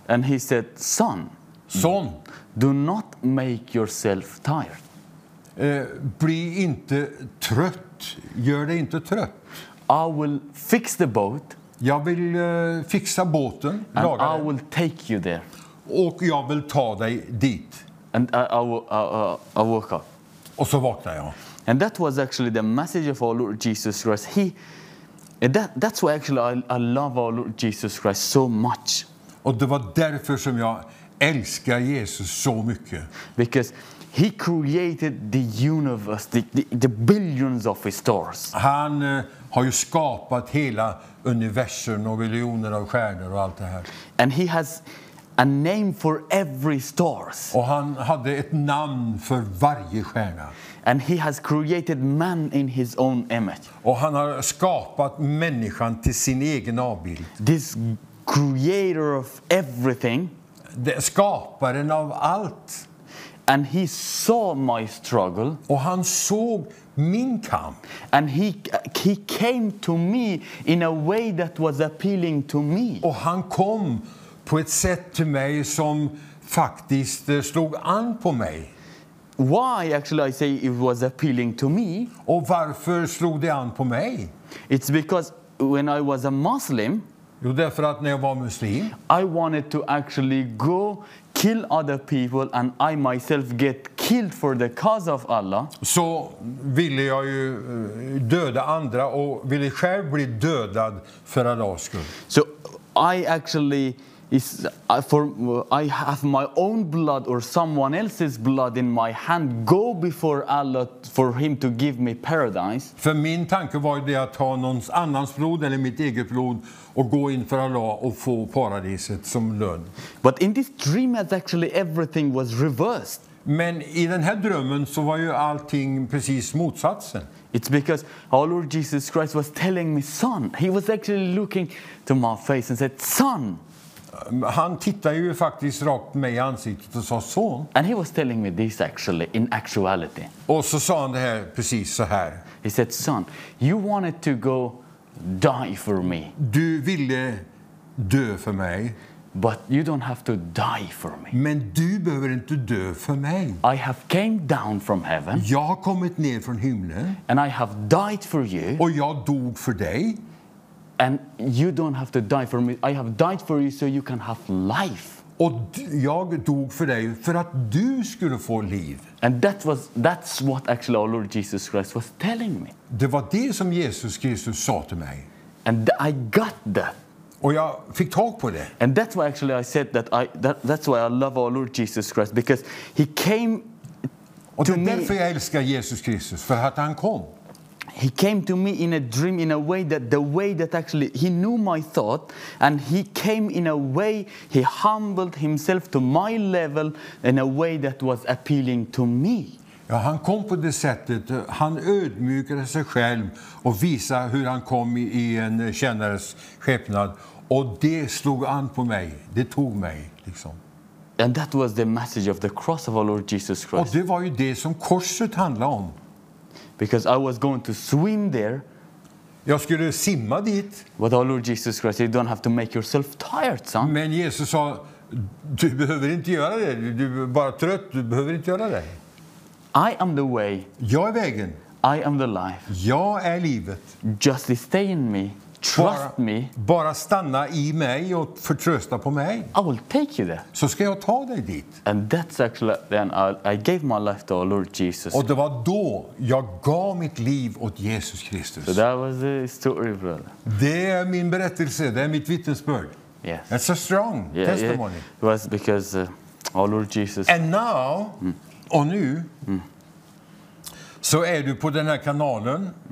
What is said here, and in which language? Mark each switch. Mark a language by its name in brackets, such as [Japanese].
[English] And he said, son, do not make yourself tired. [Swedish] Bli inte trött. Gör dig inte trött. [English] I will fix the boat. [Swedish] Jag vill fixa båten. [English] And [Swedish] laga [English] I will take you there. [Swedish] Och jag vill ta dig dit. [English] And I woke up. [Swedish] Och så vaknade jag. [English] And that was actually the message of our Lord Jesus Christ. That's why actually I love our Lord Jesus Christ so much. [Swedish] Och det var därför som jag älskar Jesus så mycket. [English] Because he created the universe, the billions of his stars. [Swedish] Han har ju skapat hela universum och miljoner av stjärnor och allt det här. [English] And he has a name for every stars. [Swedish] Och han hade ett namn för varje stjärna. [English] And he has created man in his own image. [Swedish] Och han har skapat människan till sin egen avbild. [English] This creator of everything. [Swedish] Skaparen av allt. [English] And he saw my struggle. [Swedish] Och han såg min kamp. [English] And he came to me in a way that was appealing to me. [Swedish] Och han kom på ett sätt till mig som faktiskt slog an på mig. [English] Why actually I say it was appealing to me? [Swedish] Och varför slog det an på mig? [English] It's because when I was a Muslim. [Swedish] Jo, därför att när jag var muslim. [English] I wanted to actually go kill other people and I myself get killed for the cause of Allah. [Swedish] Så ville jag ju döda andra och ville själv bli dödad för Allahs skull. [English] So I actually is for I have my own blood or someone else's blood in my hand, go before Allah for him to give me paradise. [Swedish] För min tanke var det att ta någons annans blod eller mitt eget blod och gå in för Allah och få paradiset som lön. [English] But in this dream actually everything was reversed. [Swedish] Men i den här drömmen så var ju allting precis motsatsen. [English] It's because our Lord Jesus Christ was telling me, son, he was actually looking to my face and said, son. [Swedish] Han tittade ju faktiskt rakt mig i ansiktet och sa son. [English] And he was telling me this actually in actuality. [Swedish] Och så sa han det här precis så här. [English] He said, son, you wanted to go die for me. [Swedish] Du ville dö för mig. [English] But you don't have to die for me. [Swedish] Men du behöver inte dö för mig. [English] I have came down from heaven. [Swedish] Jag har kommit ner från himlen. [English] And I have died for you. [Swedish] Och jag dog för dig. [English] And you don't have to die for me. I have died for you so you can have life. [Swedish] Och jag dog för dig för att du skulle få liv. [English] And that's what actually our Lord Jesus Christ was telling me. [Swedish] Det var det som Jesus Kristus sa till mig. [English] And I got that. [Swedish] Och jag fick tag på det. [English] And that's why actually I said that that's why I love our Lord Jesus Christ, because he came to me. [Swedish] Och det är därför jag älskar Jesus Kristus, för att han kom. [English] He came to me in a dream in a way that actually he knew my thought, and he came in a way he humbled himself to my level in a way that was appealing to me. [Swedish] Ja, han kom på det sättet. Han ödmjukade sig själv och visade hur han kom i en tjänares skepnad, och det slog an på mig. Det tog mig liksom. [English] And that was the message of the cross of our Lord Jesus Christ. [Swedish] Och det var ju det som korset handlade om. [English] Because I was going to swim there. [Swedish] Jag skulle simma dit. [English] But our Lord Jesus Christ, you don't have to make yourself tired, son. [Swedish] Men Jesus sa, du behöver inte göra det. Du är bara trött, du behöver inte göra det. [English] I am the way. [Swedish] Jag är vägen. [English] I am the life. [Swedish] Jag är livet. [English] Just stay in me. Trust me. [Swedish] Bara stanna i mig och förtrösta på mig. [English] I will take you there. [Swedish] Så ska jag ta dig dit. [English] And that's actually then I gave my life to our Lord Jesus. [Swedish] Och det var då jag gav mitt liv åt Jesus Kristus. [English] So that was the story, brother. [Swedish] Det är min berättelse, det är mitt vittnesbörd. [English] Yes. That's a strong testimony. It was because our Lord Jesus. And now, [Swedish] och nu, så är du på den här kanalen.